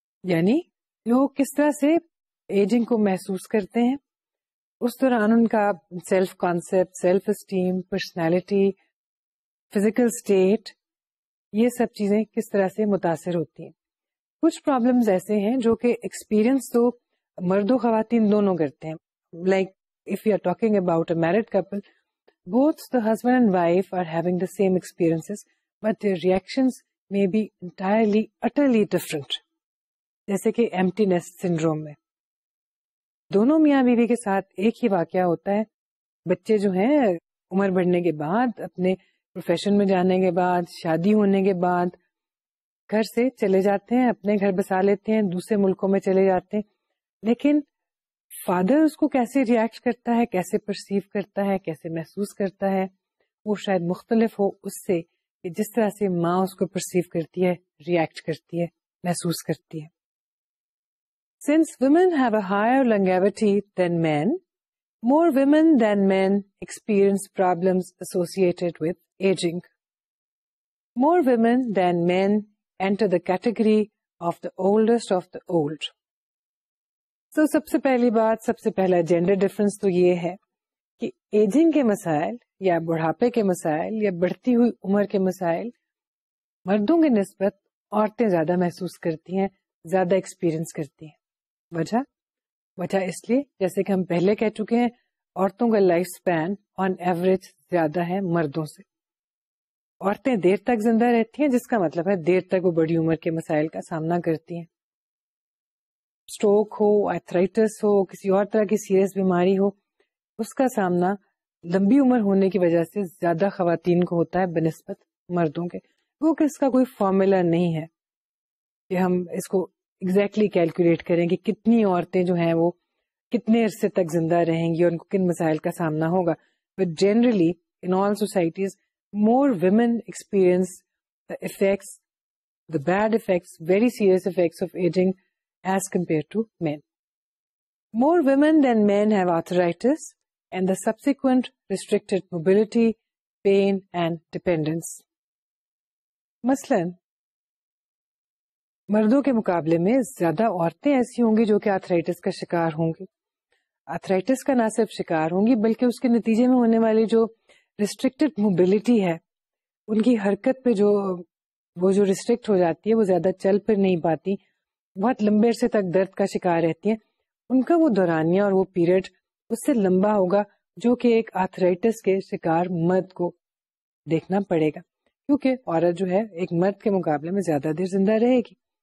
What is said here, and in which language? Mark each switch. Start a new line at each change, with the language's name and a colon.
Urdu: یعنی لوگ کس طرح سے ایجنگ کو محسوس کرتے ہیں اس دوران ان کا self concept self esteem personality physical state یہ سب چیزیں کس طرح سے متاثر ہوتی ہیں کچھ پرابلمز ایسے ہیں جو کہ ایکسپیرئنس تو مرد و خواتین دونوں کرتے ہیں
English: like if you are talking about a married couple, both the husband and wife are having the same experiences, but their reactions may be entirely, utterly different.
Urdu: جیسے کہ ایمٹی نیسٹ سنڈروم میں دونوں میاں بیوی کے ساتھ ایک ہی واقعہ ہوتا ہے. بچے جو ہیں عمر بڑھنے کے بعد, اپنے پروفیشن میں جانے کے بعد, شادی ہونے کے بعد گھر سے چلے جاتے ہیں, اپنے گھر بسا لیتے ہیں, دوسرے ملکوں میں چلے جاتے ہیں. لیکن فادر اس کو کیسے ریئیکٹ کرتا ہے, کیسے پرسیو کرتا ہے, کیسے محسوس کرتا ہے, وہ شاید مختلف ہو اس سے کہ جس طرح سے ماں اس کو پرسیو کرتی ہے, ریئیکٹ کرتی ہے, محسوس کرتی ہے.
English: Since women have a higher longevity than men, more women than men experience problems associated with aging. More women than men enter the category of the oldest of the old.
Urdu: So, سب سے پہلی بات, سب سے پہلا gender difference تو یہ ہے کہ aging کے مسائل یا بڑھاپے کے مسائل یا بڑھتی ہوئی عمر کے مسائل مردوں کے نسبت عورتیں زیادہ محسوس کرتی ہیں, زیادہ experience کرتی ہیں. وجہ اس لیے جیسے کہ ہم پہلے کہہ چکے ہیں, عورتوں کا لائف اسپین آن ایوریج زیادہ ہے مردوں سے. عورتیں دیر تک زندہ رہتی ہیں, جس کا مطلب ہے دیر تک وہ بڑی عمر کے مسائل کا سامنا کرتی ہیں. اسٹروک ہو, آرتھرائٹس ہو, کسی اور طرح کی سیریس بیماری ہو, اس کا سامنا لمبی عمر ہونے کی وجہ سے زیادہ خواتین کو ہوتا ہے بنسبت مردوں کے. وہ کہ اس کا کوئی فارمولا نہیں ہے کہ ہم اس کو
English: exactly calculate
Urdu: کریں کہ کتنی عورتیں جو ہیں وہ کتنے عرصے تک زندہ رہیں گی اور ان کو کن مسائل کا سامنا ہوگا.
English: But generally in all societies more women experience the effects, the bad effects, very serious effects of aging as compared to men. More women than men have arthritis and the subsequent restricted mobility, pain and dependence.
Urdu: مثلاً مردوں کے مقابلے میں زیادہ عورتیں ایسی ہوں گی جو کہ آرتھرائٹس کا شکار ہوں گی. آرتھرائٹس کا نہ صرف شکار ہوں گی بلکہ اس کے نتیجے میں ہونے والی جو ریسٹرکٹڈ موبیلٹی ہے, ان کی حرکت پہ جو وہ جو ریسٹرکٹ ہو جاتی ہے, وہ زیادہ چل پھر نہیں پاتی, بہت لمبے عرصے تک درد کا شکار رہتی ہیں, ان کا وہ دورانیہ اور وہ پیریڈ اس سے لمبا ہوگا جو کہ ایک آرتھرائٹس کے شکار مرد کو دیکھنا پڑے گا, کیونکہ عورت جو ہے ایک مرد کے مقابلے میں زیادہ دیر زندہ رہے گی.